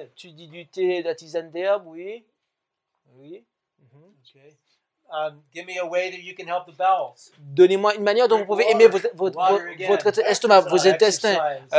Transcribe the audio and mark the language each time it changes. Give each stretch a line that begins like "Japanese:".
French: Tu dis du thé, de la tisane d'herbe, oui. Oui. Okay.
English: Give me a way that you can help the bowels.
French: Donnez-moi une manière dont vous pouvez aimer votre estomac, vos intestins.